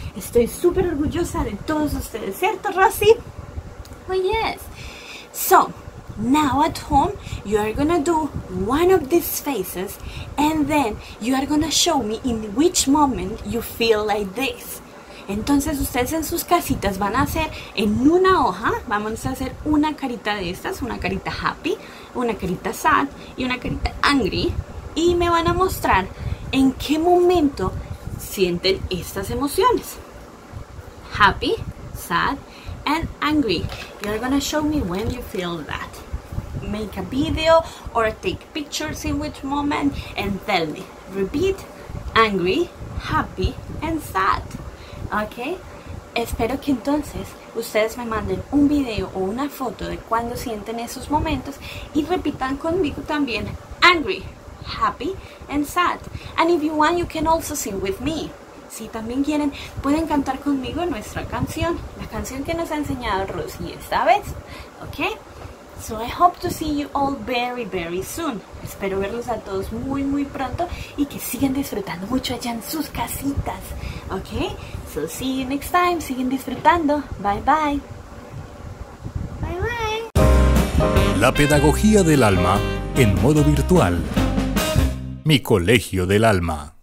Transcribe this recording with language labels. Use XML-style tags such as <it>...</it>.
<es>Estoy super orgullosa de todos ustedes, ¿cierto, Rosy?</es> <en>Well, yes. So, now at home, you are gonna do one of these faces and then you are gonna show me in which moment you feel like this.</en> <es>Entonces, ustedes en sus casitas van a hacer en una hoja, vamos a hacer una carita de estas, una carita happy, una carita sad y una carita angry. Y me van a mostrar en qué momento sienten estas emociones.</es> <en>Happy, sad, and angry. You're gonna show me when you feel that. Make a video or take pictures in which moment and tell me. Repeat, angry, happy, and sad. Okay?</en> <es>Espero que entonces ustedes me manden un video o una foto de cuando sienten esos momentos y repitan conmigo también</es> <en>angry, happy, and sad. And if you want, you can also sing with me.</en> <es>Si también quieren, pueden cantar conmigo nuestra canción, la canción que nos ha enseñado Rosy esta vez.</es> <en>Okay? So I hope to see you all very, very soon.</en> <es>Espero verlos a todos muy, muy pronto y que sigan disfrutando mucho allá en sus casitas.</es> <en>Okay? So see you next time.</en> <es>Siguen disfrutando.</es> <en>Bye, bye. Bye, bye.</en> <es>La pedagogía del alma en modo virtual. Mi colegio del alma.</es>